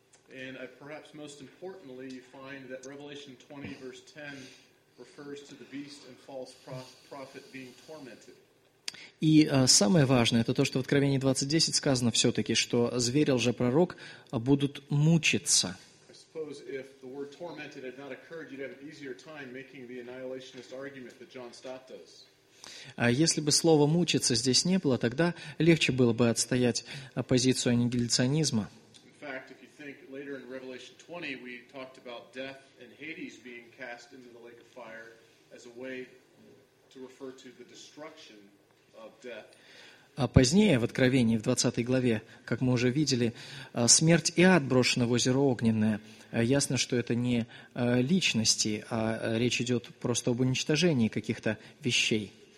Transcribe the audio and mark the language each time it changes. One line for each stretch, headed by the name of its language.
English: And perhaps most importantly, you find that Revelation 20, verse 10, refers to the beast and false prophet being tormented.
Russian: И самое важное, это то, что в Откровении 20:10 сказано все-таки, что зверь и лжепророк будут мучиться. Если бы слово «мучиться» здесь не было, тогда легче было бы отстоять позицию аннигиляционизма.
English: In fact, if you think later in Revelation 20, we talked about death and Hades being cast into the lake of fire as a way to refer to the destruction of death.
Russian: А позднее, в Откровении, в 20 главе, как мы уже видели, смерть и ад брошены в озеро Огненное. Ясно, что это не личности, а речь идет просто об уничтожении каких-то вещей.